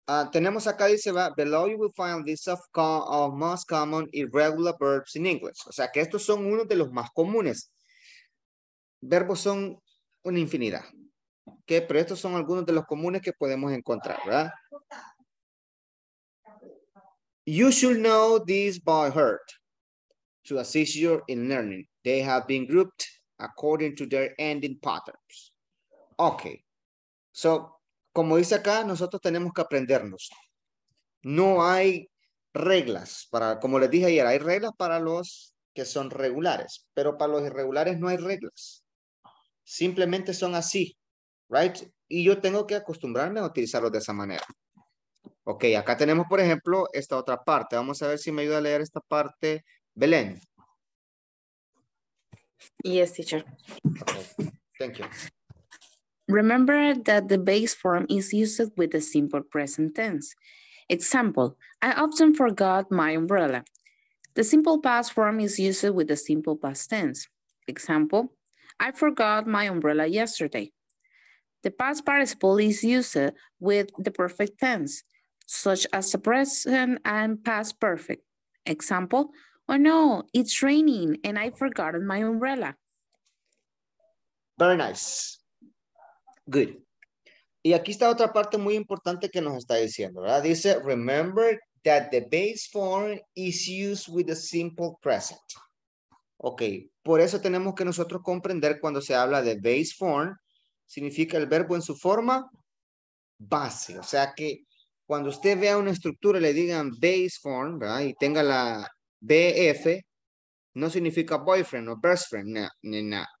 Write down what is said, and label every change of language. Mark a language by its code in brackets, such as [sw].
[es] Tenemos acá, dice, [en] below you will find this of most common irregular verbs in English. [es] O sea, que estos son uno de los más comunes. Verbos son una infinidad. Okay, pero estos son algunos de los comunes que podemos encontrar, ¿verdad? [en] You should know this by heart to assist you in learning. They have been grouped according to their ending patterns. Okay. [es] So, como dice acá, nosotros tenemos que aprendernos. No hay reglas para, como les dije ayer, hay reglas para los que son regulares, pero para los irregulares no hay reglas. Simplemente son así, right? Y yo tengo que acostumbrarme a utilizarlos de esa manera. Ok, acá tenemos, por ejemplo, esta otra parte. Vamos a ver si me ayuda a leer esta parte. Belén. [en] Yes, teacher. Okay. Thank you. Remember that the base form is used with the simple present tense. Example, I often forgot my umbrella. The simple past form is used with the simple past tense. Example, I forgot my umbrella yesterday. The past participle is used with the perfect tense, such as the present and past perfect. Example, oh no, it's raining and I forgot my umbrella. Very nice. Good. [es] Y aquí está otra parte muy importante que nos está diciendo, ¿verdad? [en] Dice, remember that the base form is used with a simple present. [es] Ok, por eso tenemos que nosotros comprender cuando se habla de base form, significa el verbo en su forma base. O sea que cuando usted vea una estructura y le digan base form, ¿verdad? Y tenga la BF, no significa boyfriend o best friend, no.